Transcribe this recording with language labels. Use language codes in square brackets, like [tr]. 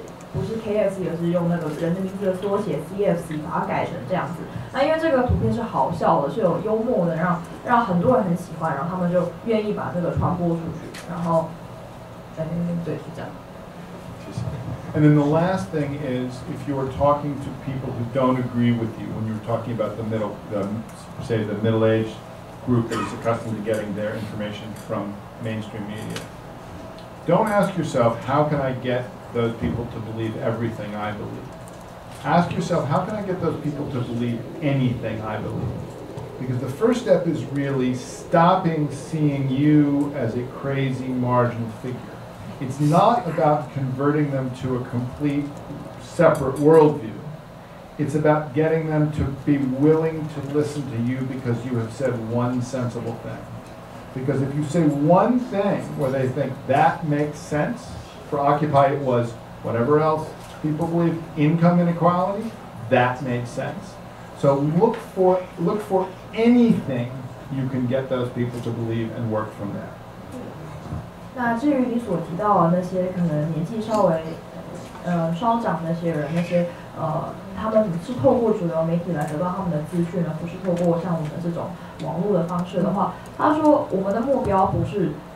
[zh] 不是 KFC， 而是用那个人的名字的缩写 CFC， 把它改成这样子。那因为这个图片是好笑的，是有幽默的，让很多人很喜欢，然后他们就愿意把这个传播出去。然后，对，是这样。 [en] And then the last thing is, if you are talking to people who don't agree with you, when you're talking about the middle, the say the middle-aged group that is accustomed to getting their information from mainstream media, don't ask yourself, how can I get those people to believe everything I believe? Ask yourself, how can I get those people to believe anything I believe? Because the first step is really stopping seeing you as a crazy marginal figure. It's not about converting them to a complete separate worldview. It's about getting them to be willing to listen to you because you have said one sensible thing. Because if you say one thing where they think that makes sense, for Occupy it was whatever else people believe, income inequality, that made sense. So look for anything you can get those people to believe and work from there. [zh] 那至于你所提到的那些可能年纪稍微稍长那些人，那些他们是透过主流媒体来得到他们的资讯，而不是透过像我们这种网络的方式的话，他说我们的目标不是。